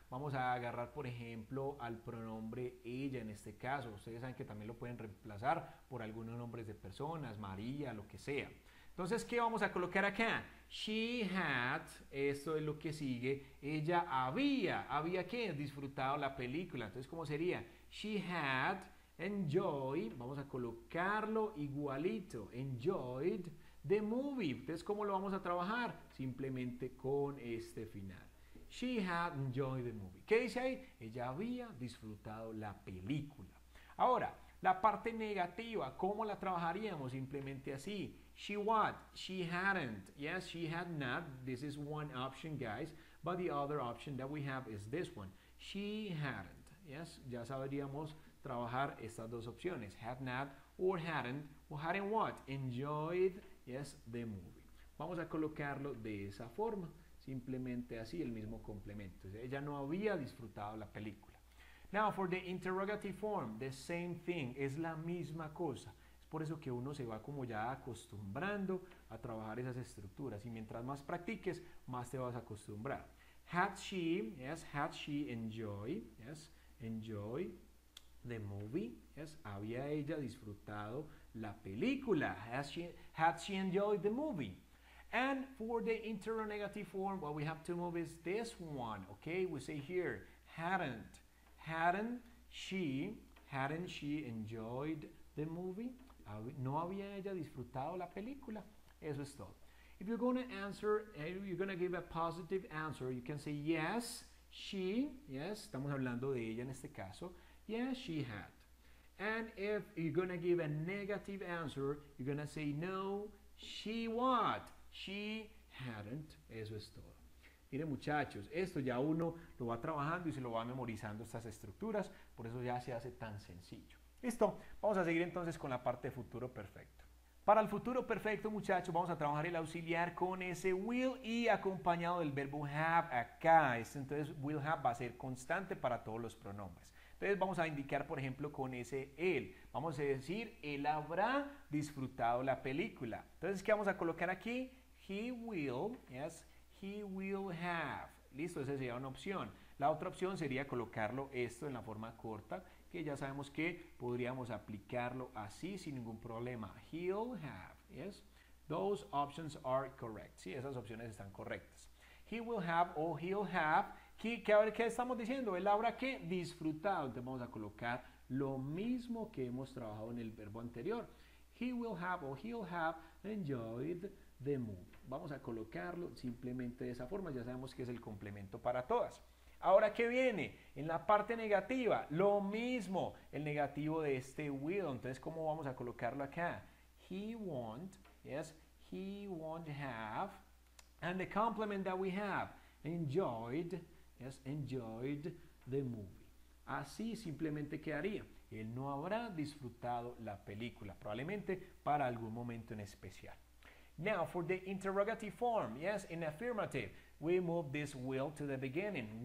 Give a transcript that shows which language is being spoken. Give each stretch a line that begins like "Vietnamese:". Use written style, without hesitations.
Spanish: Vamos a agarrar, por ejemplo, al pronombre ella en este caso. Ustedes saben que también lo pueden reemplazar por algunos nombres de personas, María, lo que sea. Entonces, ¿qué vamos a colocar acá?
English: She had,
Spanish: esto es lo que sigue, ella había ¿qué? Disfrutado la película. Entonces, ¿cómo sería?
English: She had enjoyed,
Spanish: vamos a colocarlo igualito,
English: enjoyed the movie.
Spanish: Entonces, ¿cómo lo vamos a trabajar? Simplemente con este final.
English: She had enjoyed the movie.
Spanish: ¿Qué dice ahí? Ella había disfrutado la película. Ahora, la parte negativa, ¿cómo la trabajaríamos? Simplemente así.
English: She what? She hadn't. Yes, she had not. This is one option, guys. But the other option that we have is this one. She hadn't.
Spanish: Yes, ya sabríamos trabajar estas dos opciones.
English: Had not or hadn't. Or hadn't what? Enjoyed, yes, the movie.
Spanish: Vamos a colocarlo de esa forma. Simplemente así, el mismo complemento. Ella no había disfrutado la película.
English: Now, for the interrogative form, the same thing.
Spanish: Es la misma cosa. Es por eso que uno se va como ya acostumbrando a trabajar esas estructuras. Y mientras más practiques, más te vas a acostumbrar.
English: Had she, yes, had she enjoyed, yes, enjoy the movie.
Spanish: Yes, había ella disfrutado la película.
English: Had she enjoyed the movie. And for the interrogative form, what we have to move is this one, okay? We say here, hadn't she enjoyed the movie?
Spanish: ¿No había ella disfrutado la película? Eso es todo.
English: If you're going to answer, you're going to give a positive answer, you can say, yes, she, yes,
Spanish: estamos hablando de ella en este caso,
English: yes, she had. And if you're going to give a negative answer, you're going to say, no, she what? She hadn't.
Spanish: Eso es todo. Miren, muchachos, esto ya uno lo va trabajando y se lo va memorizando estas estructuras. Por eso ya se hace tan sencillo. Listo. Vamos a seguir entonces con la parte de futuro perfecto. Para el futuro perfecto, muchachos, vamos a trabajar el auxiliar con ese will y acompañado del verbo have acá. Entonces, will have va a ser constante para todos los pronombres. Entonces, vamos a indicar, por ejemplo, con ese él. Vamos a decir, él habrá disfrutado la película. Entonces, ¿qué vamos a colocar aquí?
English: He will, yes, he will have.
Spanish: Listo, esa sería una opción. La otra opción sería colocarlo esto en la forma corta, que ya sabemos que podríamos aplicarlo así sin ningún problema.
English: He'll have, yes. Those options are correct.
Spanish: Sí, esas opciones están correctas.
English: He will have
Spanish: o
English: he'll have.
Spanish: ¿Qué estamos diciendo? Él habrá que disfrutado. Entonces vamos a colocar lo mismo que hemos trabajado en el verbo anterior.
English: He will have o he'll have enjoyed the movie.
Spanish: Vamos a colocarlo simplemente de esa forma. Ya sabemos que es el complemento para todas. Ahora, ¿qué viene? En la parte negativa, lo mismo, el negativo de este will. Entonces, ¿cómo vamos a colocarlo acá?
English: He won't, yes, he won't have, and the complement that we have, enjoyed, yes, enjoyed the movie.
Spanish: Así simplemente quedaría. Él no habrá disfrutado la película, probablemente para algún momento en especial.
English: Now, for the interrogative form, yes, in affirmative, we move this will to the beginning.